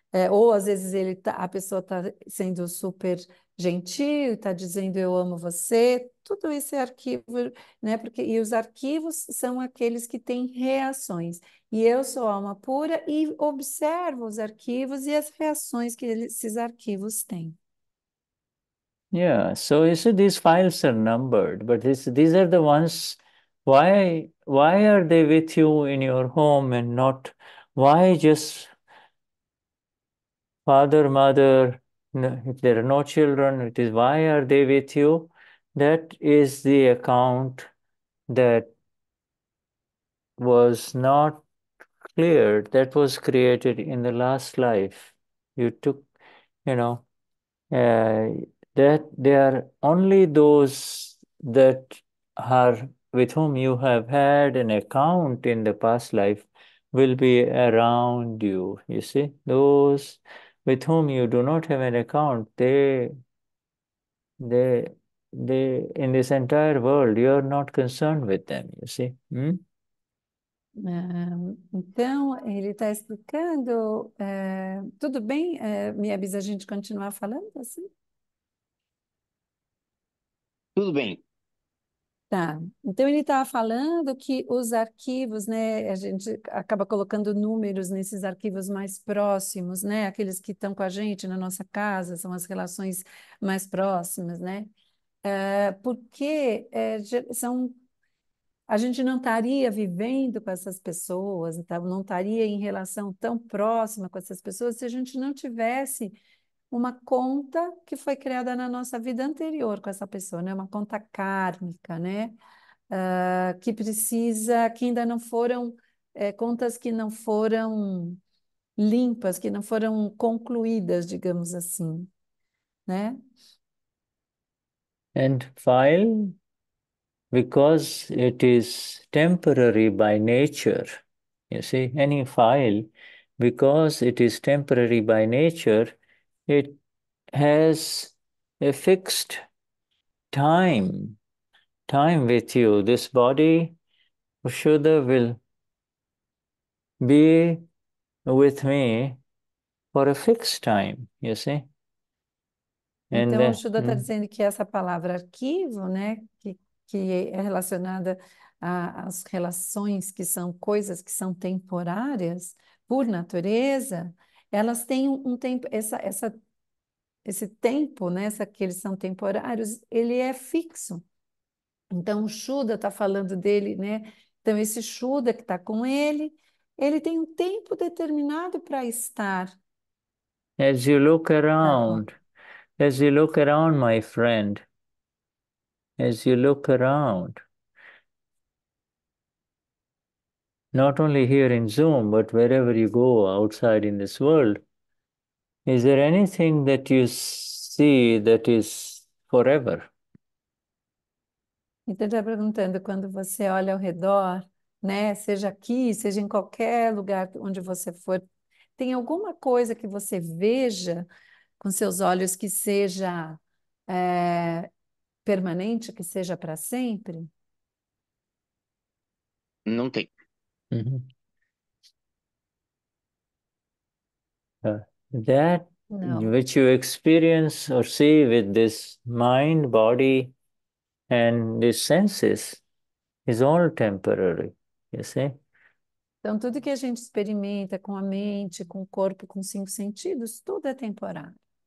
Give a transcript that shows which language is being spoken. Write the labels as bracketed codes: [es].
[pt] Ou às vezes ele tá, a pessoa está sendo super gentil, está dizendo eu amo você. Tudo isso é arquivo, né? Porque, e os arquivos são aqueles que têm reações. E eu sou alma pura e observo os arquivos e as reações que esses arquivos têm. [en] Yeah, so you see, these files are numbered, but this, these are the ones. Why are they with you in your home and not, why just father, mother, if there are no children, it is, why are they with you? That is the account that was not cleared, that was created in the last life. You took, you know, that they are only those that are with whom you have had an account in the past life will be around you. You see, those with whom you do not have an account, they in this entire world, you are not concerned with them, you see. [pt] Então, ele está explicando, tudo bem, Mieves, a gente continuar falando assim? Tudo bem. Tá. Então ele estava falando que os arquivos, né, a gente acaba colocando números nesses arquivos mais próximos, né, aqueles que estão com a gente na nossa casa, são as relações mais próximas, né, porque são a gente não estaria vivendo com essas pessoas, então não estaria em relação tão próxima com essas pessoas se a gente não tivesse uma conta que foi criada na nossa vida anterior com essa pessoa, né? Uma conta kármica, né? Que precisa, que ainda não foram, contas que não foram limpas, que não foram concluídas, digamos assim, né? [en] And file, because it is temporary by nature, you see, any file, because it is temporary by nature, it has a fixed time with you. This body, Shuddha, will be with me for a fixed time, you see. [pt] Então, o Shuddha está dizendo que essa palavra arquivo, né, que é relacionada às relações que são coisas que são temporárias, por natureza, elas têm um tempo, esse tempo, né, que eles são temporários, ele é fixo. Então, o Shuddha está falando dele, né? Então, esse Shuddha que está com ele tem um tempo determinado para estar com. [en] As you look around, my friend, as you look around, not only here in Zoom, but wherever you go outside in this world, is there anything that you see that is forever? [pt] Então, está perguntando, quando você olha ao redor, né, seja aqui, seja em qualquer lugar onde você for, tem alguma coisa que você veja com seus olhos que seja permanente, que seja para sempre? Não tem. [en] That [pt] Não. [en] which you experience or see with this mind, body, and the senses is all temporary, you see? [pt] Então, tudo que a gente experimenta com a mente, com o corpo, com cinco sentidos, tudo é temporário.